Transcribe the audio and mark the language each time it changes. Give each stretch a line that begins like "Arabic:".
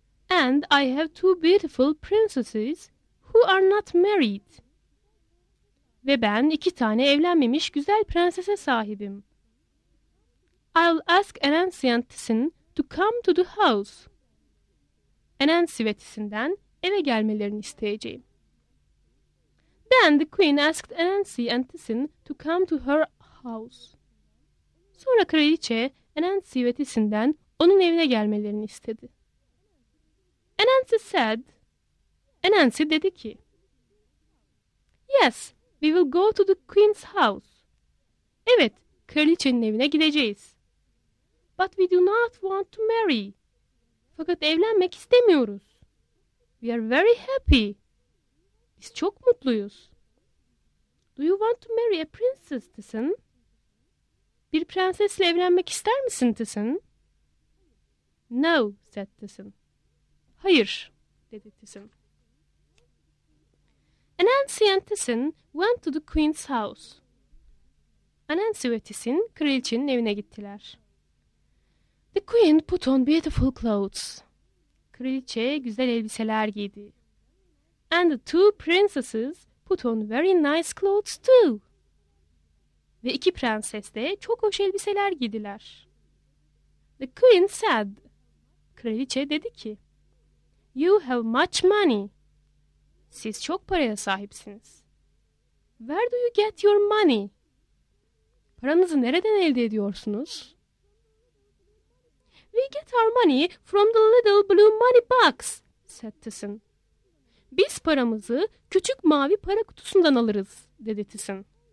English: And I have two beautiful princesses who are not married.
Turkish: Ve ben iki tane evlenmemiş güzel prensese sahibim.
English: I'll ask an ancient citizen to come to the house.
Turkish: An ancient citizen'den eve gelmelerini isteyeceğim.
English: Then the queen asked an ancient citizen to come to her house.
Turkish: Sonra kraliçe
English: an ancient citizen'den
Turkish: onun evine gelmelerini istedi.
English: Anansi said,
Turkish: Anansi dedi ki,
English: yes, we will go to the queen's house.
Turkish: Evet, kraliçenin evine gideceğiz.
English: But we do not want to marry.
Turkish: Fakat evlenmek istemiyoruz.
English: We are very happy.
Turkish: Biz çok mutluyuz.
English: Do you want to marry a princess, Tyson?
Turkish: Bir prensesle evlenmek ister misin, Tyson?
English: No, said Tyson.
Turkish: Hayır, dedi Tyson.
English: Anansi and Tyson went to the queen's house.
Turkish: Anansi ve Tyson kraliçenin evine gittiler.
English: The queen put on beautiful clothes.
Turkish: Kraliçe güzel elbiseler giydi.
English: And the two princesses put on very nice clothes too.
Turkish: Ve iki prenses de çok hoş elbiseler giydiler.
English: The queen said,
Turkish: kraliçe dedi ki,
English: you have much money.
Turkish: Siz çok paraya sahipsiniz.
English: Where do you get your money?
Turkish: Paranızı nereden elde ediyorsunuz?
English: We get our money from the little blue money box, said Tyson.
Turkish: Biz paramızı küçük mavi para kutusundan alırız, dedi Tyson.